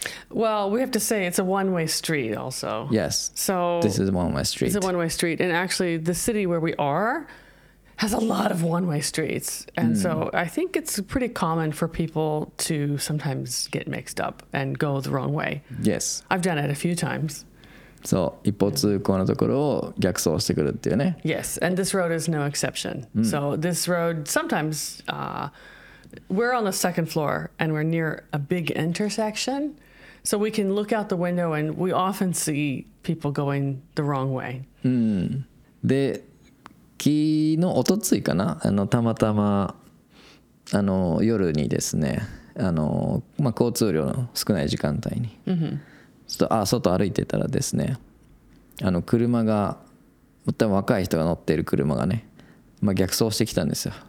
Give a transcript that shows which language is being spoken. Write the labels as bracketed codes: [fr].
[en] Well, we have to say it's a one-way street also. Yes. So this is a one-way street. It's a one-way street. And actually, the city where we are has a lot of one-way streets. And so I think it's pretty common for people to sometimes get mixed up and go the wrong way. Yes. I've done it a few times. [ja] So, 一方通行のところを逆走してくるっていうね。 [en] Yes, and this road is no exception. So, this road, sometimes, we're on the second floor and we're near a big intersection. So, we can look out the window and we often see people going the wrong way. [ja] で、昨日、おとついかな、たまたま、夜にですね、交通量の少ない時間帯に。 Mm-hmm. 外歩いてたらですね、車が、多分若い人が乗っている車がね、逆走してきたんですよ。